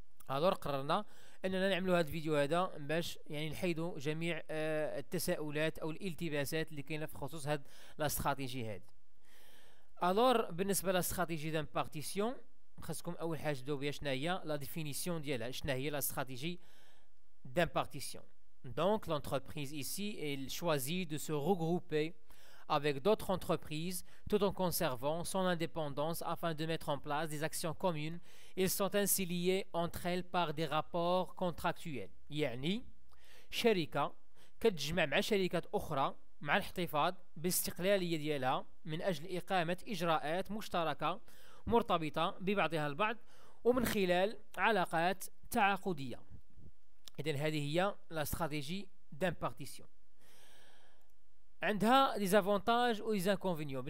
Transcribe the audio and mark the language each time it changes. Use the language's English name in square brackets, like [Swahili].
[Arabic] هذا قررنا أننا نعملوا هذا الفيديو هذا باش يعني نحيدوا جميع التساؤلات أو الالتباسات اللي كاينة في خصوص هذا الاستراتيجي هذا. الوغ بالنسبه لاستراتيجي دان بارتيسيون خاصكم اول حاجه تدوا بها شنو هي لا ديفينيسيون ديالها، شنو هي لاستراتيجي دان بارتيسيون. [French] دونك لونتربريز ici elle choisit de se regrouper avec d'autres entreprises tout en conservant son indépendance afin de mettre en place des actions communes. Ils sont ainsi liés entre elles par des rapports contractuels. [Arabic] يعني شركه كتجمع مع شركات اخرى مع الاحتفاظ باستقلالية ديالها من أجل إقامة إجراءات مشتركة مرتبطة ببعضها البعض ومن خلال علاقات تعاقدية. إذن هذه هي الاستراتيجية دامبارتيسيون. عندها [French] دي زافونتاج و دي زانكونفينيون.